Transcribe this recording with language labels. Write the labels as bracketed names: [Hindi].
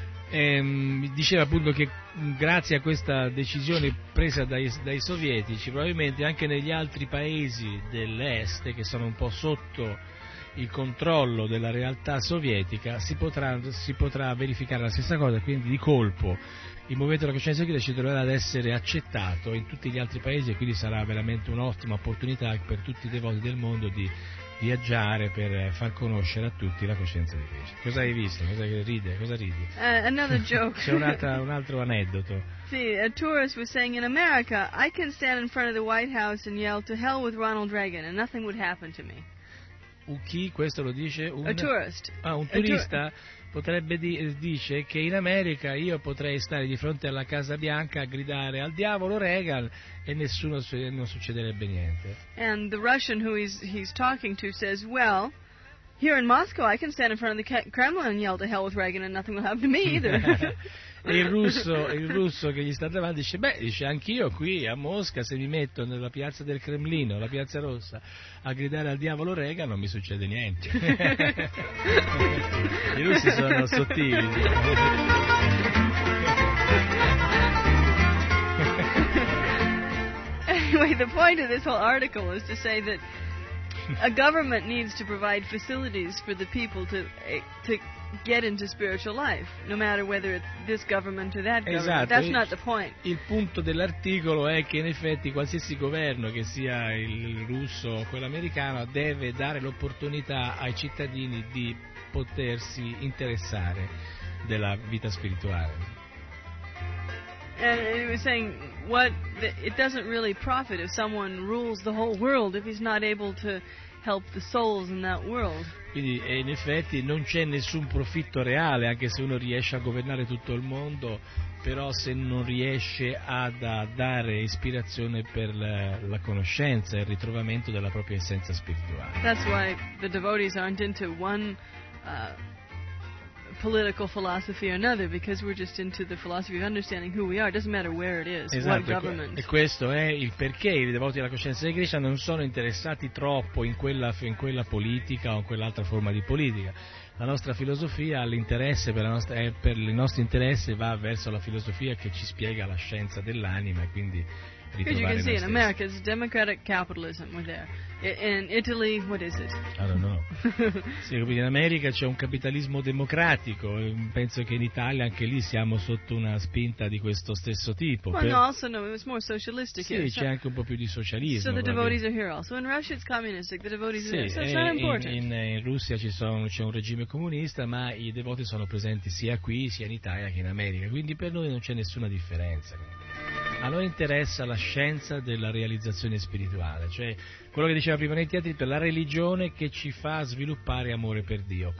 [Italian] diceva appunto che grazie a questa decisione presa dai sovietici, probabilmente anche negli altri paesi dell'est che sono un po' sotto il controllo della realtà sovietica si potrà verificare la stessa cosa. Quindi di colpo il movimento della coscienza critica ci troverà ad essere accettato in tutti gli altri paesi, e quindi sarà veramente un'ottima opportunità per tutti i devoti del mondo di viaggiare per far conoscere a tutti la coscienza di Krishna. Cosa hai visto? Cosa ridi? [English] Another joke. [Italian] C'è un altro aneddoto. [English] Sì, a tourist was saying, in America I can stand in front of the White House and yell to hell with Ronald Reagan and nothing would happen to me. [Italian] Chi questo lo dice? [English] A tourist. [Italian] Ah, un turista potrebbe dice che in America io potrei stare di fronte alla Casa Bianca a gridare al diavolo Reagan e nessuno non succederebbe niente. [English] And the Russian who he's talking to says, well, here in Moscow I can stand in front of the Kremlin and yell to hell with Reagan and nothing will happen to me either. [Italian] il russo che gli sta davanti dice anch'io qui a Mosca, se mi metto nella piazza del Cremlino, la piazza rossa, a gridare al diavolo Reagan non mi succede niente. I russi sono sottili. [English] Anyway, the point of this whole article is to say that a government needs to provide facilities for the people to get into spiritual life, no matter whether it's this government or that government. [Italian] Esatto. [English] That's not the point. [Italian] Il punto dell'articolo è che in effetti qualsiasi governo, che sia il russo o quello americano, deve dare l'opportunità ai cittadini di potersi interessare della vita spirituale. [English] And he was saying, it doesn't really profit if someone rules the whole world if he's not able to help the souls in that world. [Italian] Quindi in effetti non c'è nessun profitto reale, anche se uno riesce a governare tutto il mondo, però se non riesce a dare ispirazione per la conoscenza e il ritrovamento della propria essenza spirituale. [English] That's why the devotees aren't into one political philosophy or another, because we're just into the philosophy of understanding who we are. It doesn't matter where it is. [Italian] Esatto, [English] what government. [Italian] E questo è il perché i devoti della coscienza di Krishna non sono interessati troppo in quella politica o in quell'altra forma di politica. La nostra filosofia, l'interesse per i nostri interessi va verso la filosofia che ci spiega la scienza dell'anima, e quindi [English] Because you can see in America it's democratic capitalism over there. In Italy, what is it? I don't know. [Italian] Sì, in America c'è un capitalismo democratico. Penso che in Italia anche lì siamo sotto una spinta di questo stesso tipo. [English] Well, no, also no, it was more socialistic. [Italian] Sì, [English] here. [Italian] C'è anche un po' più di socialismo. [English] So the devotees are here also. In Russia it's communistic. The devotees [Italian] sì, [English] are here. So it's not important. [Italian] In Russia c'è un regime comunista, ma i devoti sono presenti sia qui, sia in Italia che in America. Quindi per noi non c'è nessuna differenza. A noi interessa la scienza della realizzazione spirituale, cioè quello che diceva prima nei teatri, per la religione che ci fa sviluppare amore per Dio.